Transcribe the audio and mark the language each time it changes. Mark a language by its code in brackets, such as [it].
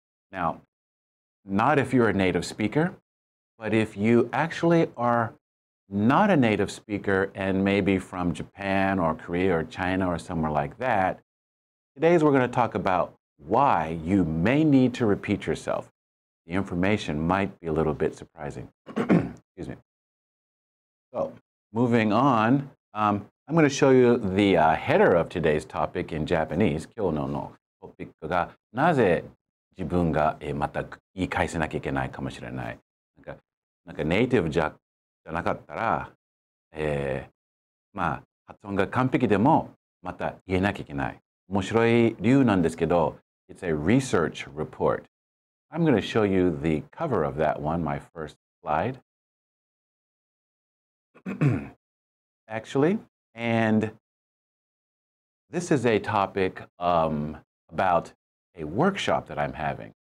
[en] Now, not if you're a native speaker, but if you actually are not a native speaker and maybe from Japan or Korea or China or somewhere like that, today we're going to talk about why you may need to repeat yourself. The information might be a little bit surprising. Excuse me. So, moving on, I'm going to show you the header of today's topic in Japanese. [ja] 今日のトピックがなぜ自分がまた言い返せなきゃいけないかもしれない。なんかネイティブじゃなかったら、まあ発音が完璧でもまた言えなきゃいけない。面白い理由なんですけど、 [en] It's a research report. I'm going to show you the cover of that one, my first slide. Actually, and this is a topic about a workshop that I'm having.